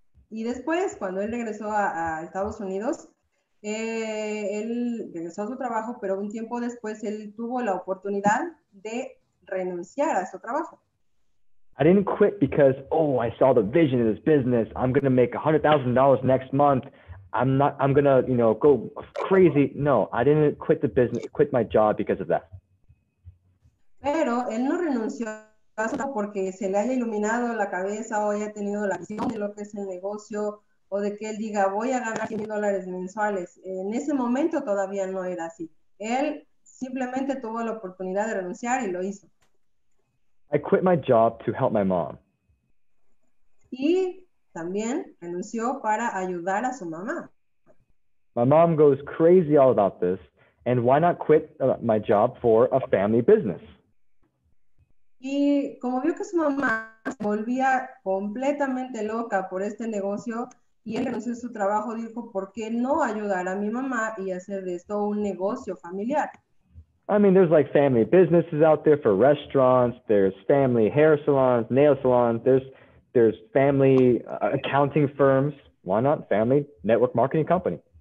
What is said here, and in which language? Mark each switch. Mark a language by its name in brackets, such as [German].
[Spanish] Y después, cuando él regresó a Estados Unidos, él regresó a su trabajo, pero un tiempo después él tuvo la oportunidad de renunciar a su trabajo. [English] I didn't quit because, oh, I saw the vision of this business. I'm going to make $100,000 next month. I'm going to go crazy. No, I didn't quit my job because of that. [Spanish] Pero él no renunció porque se le haya iluminado la cabeza o haya tenido la visión de lo que es el negocio o de que él diga, voy a ganar $100 mensuales. En ese momento todavía no era así. Él simplemente tuvo la oportunidad de renunciar y lo hizo. [English] I quit my job to help my mom. [Spanish] Y también renunció para ayudar a su mamá. [English] My mom goes crazy all about this, and why not quit my job for a family business? [Spanish] Y como vio que su mamá se volvía completamente loca por este negocio, y él renunció a su trabajo, dijo, ¿por qué no ayudar a mi mamá y hacer de esto un negocio familiar? [English] I mean, there's like family businesses out there for restaurants, there's family hair salons, nail salons, there's family accounting firms. Why not family network marketing company?